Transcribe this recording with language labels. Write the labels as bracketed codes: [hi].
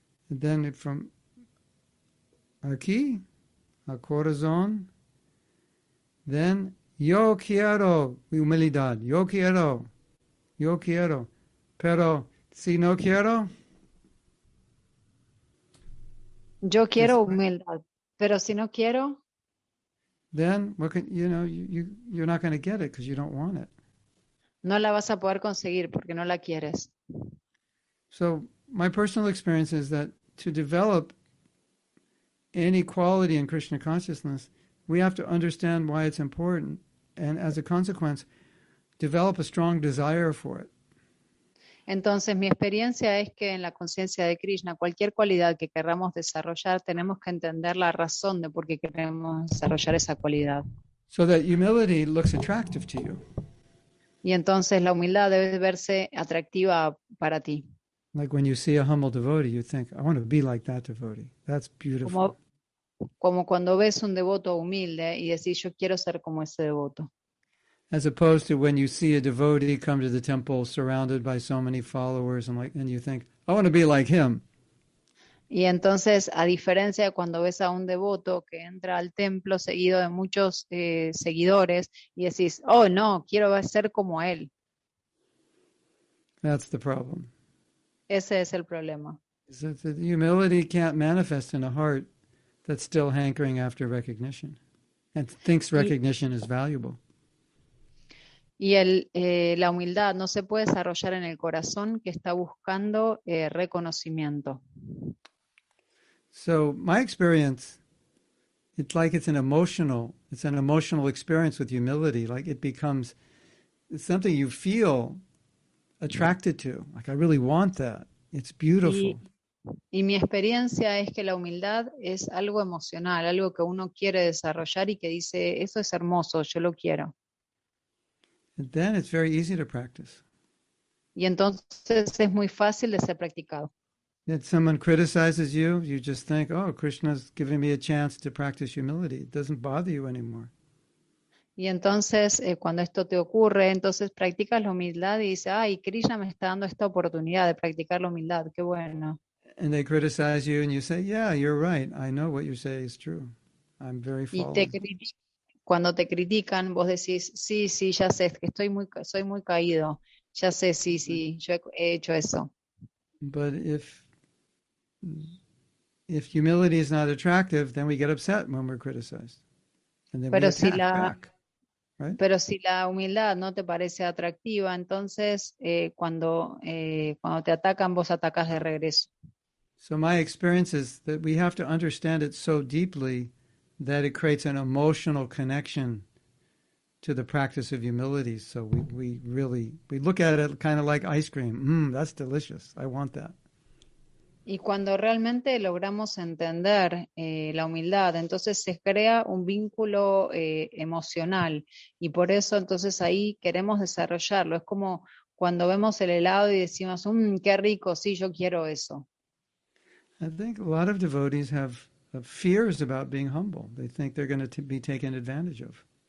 [en] And then from [es] aquí, a corazón, [en] then [es] yo quiero humildad, yo quiero, pero si no quiero. Yo quiero humildad, pero si no quiero. [en] Then, you're not going to get it because you don't want it. [es] No la vas a poder conseguir porque no la quieres. [en] So, my personal experience is that to develop any quality in Krishna consciousness, we have to understand why it's important and as a consequence, develop a strong desire for it. [es] Entonces, mi experiencia es que en la conciencia de Krishna, cualquier cualidad que queramos desarrollar, tenemos que entender la razón de por qué queremos desarrollar esa cualidad. [en] So that humility looks attractive to you. [es] Y entonces la humildad debe verse atractiva para ti. [en] Like when you see a humble devotee, you think, I want to be like that devotee. That's beautiful. [es] Como cuando ves un devoto humilde y decís, yo quiero ser como ese devoto. [en] As opposed to when you see a devotee come to the temple surrounded by so many followers and you think, I want to be like him. [es] Y entonces, a diferencia de cuando ves a un devoto que entra al templo seguido de muchos seguidores y decís, oh no, quiero ser como él. [en] That's the problem. [es] Ese es el problema. [en] Is that the humility can't manifest in a heart that's still hankering after recognition and thinks recognition is valuable. [es] Y la humildad no se puede desarrollar en el corazón que está buscando reconocimiento. [en] So my experience, it's like it's an emotional experience with humility. Like it becomes something you feel attracted to. Like I really want that. It's beautiful. [es] Y mi experiencia es que la humildad es algo emocional, algo que uno quiere desarrollar y que dice, eso es hermoso, yo lo quiero. [en] And then it's very easy to practice. [es] Y entonces es muy fácil de ser practicado. [en] If someone criticizes you, you just think, oh, Krishna's giving me a chance to practice humility. It doesn't bother you anymore. [es] Y entonces, cuando esto te ocurre, entonces practicas la humildad y dices, ay, Krishna me está dando esta oportunidad de practicar la humildad, qué bueno. [en] And they criticize you and you say, yeah, you're right. I know what you say is true. I'm very fallen. [es] Cuando te critican, vos decís, sí, ya sé, que soy muy caído. Ya sé, sí, yo he hecho eso. [en] But if humility is not attractive, then we get upset when we're criticized. And then [es] pero [en] we attack [es] si la, [en] back. Right? [es] Pero si la humildad no te parece atractiva, entonces cuando te atacan, vos atacas de regreso. [en] So my experience is that we have to understand it so deeply that it creates an emotional connection to the practice of humility. So we look at it kind of like ice cream. That's delicious. I want that. [es] Y cuando realmente logramos entender la humildad, entonces se crea un vínculo emocional. Y por eso entonces ahí queremos desarrollarlo. Es como cuando vemos el helado y decimos, qué rico, sí, yo quiero eso. [en] I think a lot of devotees have fears about being humble. They think they're going to be taken advantage of.